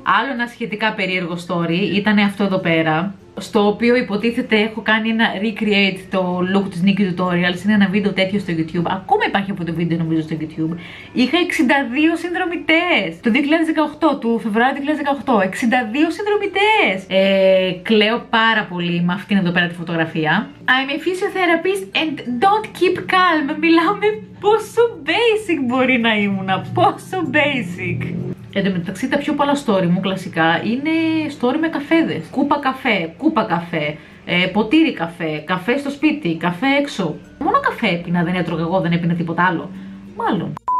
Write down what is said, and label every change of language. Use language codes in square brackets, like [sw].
[el] Άλλο ένα σχετικά περίεργο story ήταν αυτό εδώ πέρα, στο οποίο υποτίθεται έχω κάνει ένα recreate το look της Nikki Tutorials. Είναι ένα βίντεο τέτοιο στο YouTube. Ακόμα υπάρχει από το βίντεο νομίζω στο YouTube. Είχα 62 συνδρομητές το 2018, του Φεβρουάριο 2018. 62 συνδρομητές. Κλαίω πάρα πολύ με αυτήν εδώ πέρα τη φωτογραφία. [en] I'm a physiotherapist and don't keep calm. [el] Μιλάμε πόσο basic μπορεί να ήμουνα. Πόσο basic. Εν τω μεταξύ τα πιο πολλά story μου κλασικά είναι story με καφέδες. Κούπα καφέ, ποτήρι καφέ, καφέ στο σπίτι, καφέ έξω. Μόνο καφέ έπινα, δεν έτρωγα εγώ, δεν έπινα τίποτα άλλο. Μάλλον.